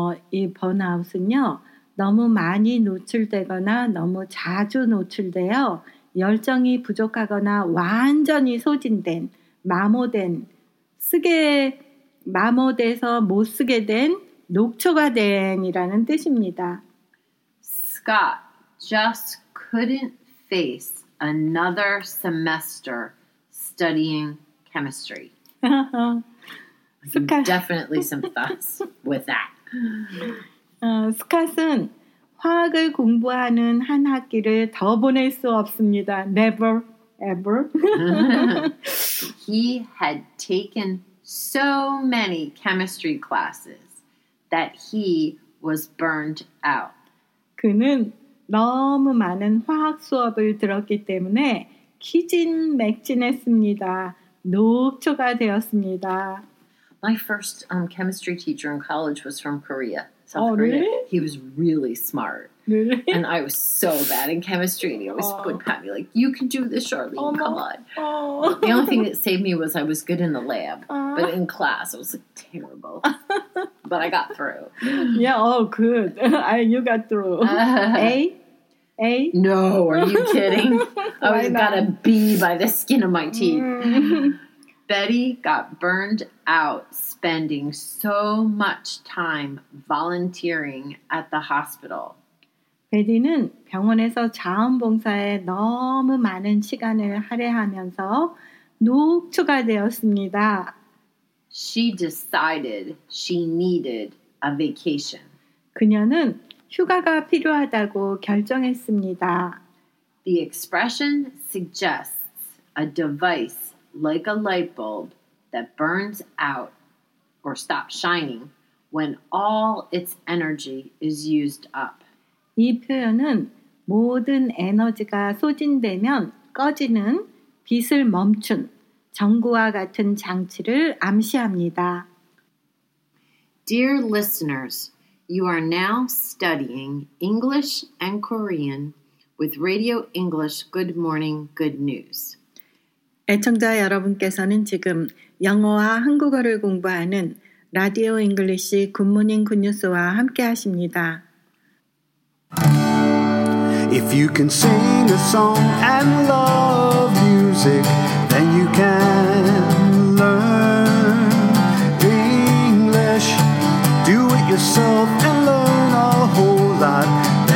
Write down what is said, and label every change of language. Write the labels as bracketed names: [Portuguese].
[Korean] 이 번아웃은요, 너무 많이 노출되거나 너무 자주 노출되어 열정이 부족하거나 완전히 소진된, 마모된, 쓰게 마모돼서 못 쓰게 된 녹초가 된이라는 뜻입니다. [English] Scott just couldn't face another semester studying chemistry. definitely sympathize with that. [Korean] 스캇은 화학을 공부하는 한 학기를 더 보낼 수 없습니다. [English] Never, ever. He had taken so many chemistry classes that he was burned out. [Korean] 그는 너무 많은 화학 수업을 들었기 때문에 기진맥진했습니다. 녹초가 되었습니다. [English] My first chemistry teacher in college was from Korea. South Korea. Really? He was really smart. Really? And I was so bad in chemistry. And he always would pat me like, you can do this, Charlene. Oh, come on. Oh. The only thing that saved me was I was good in the lab. But in class, I was like, terrible. But I got through. Yeah, oh, good. You got through. A? No, are you kidding? I was got a B by the skin of my teeth. Betty got burned out spending so much time volunteering at the hospital. [Korean] 베디는 병원에서 자원봉사에 너무 많은 시간을 할애하면서 녹초가 되었습니다. [English] She decided she needed a vacation. [Korean] 그녀는 휴가가 필요하다고 결정했습니다. [English] The expression suggests a device like a light bulb that burns out or stops shining when all its energy is used up. [Korean] 이 표현은 모든 에너지가 소진되면 꺼지는 빛을 멈춘 전구와 같은 장치를 암시합니다. [English] Dear listeners, you are now studying English and Korean with Radio English Good Morning Good News. [Korean] 애청자 여러분께서는 지금 영어와 한국어를 공부하는 라디오 잉글리시 굿모닝 굿뉴스와 함께 하십니다. [English] If you can sing a song and love music, then you can learn English. Do it yourself and learn a whole lot.